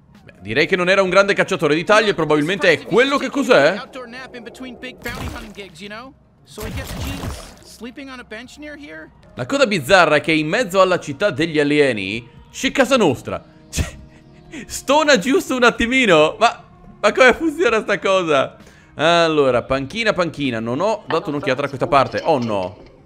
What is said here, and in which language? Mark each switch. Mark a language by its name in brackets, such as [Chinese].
[Italian] Beh, direi che non era un grande cacciatore di taglie, probabilmente è quello che cos'è. [English] Outdoor nap in between big bounty hunting gigs, you know? So I guess Gene's sleeping on a bench near here? [Italian] La cosa bizzarra è che in mezzo alla città degli alieni c'è casa nostra. Stona giusto un attimino. Ma come funziona sta cosa? Allora, panchina. Non ho dato un'occhiata a questa parte. Oh no.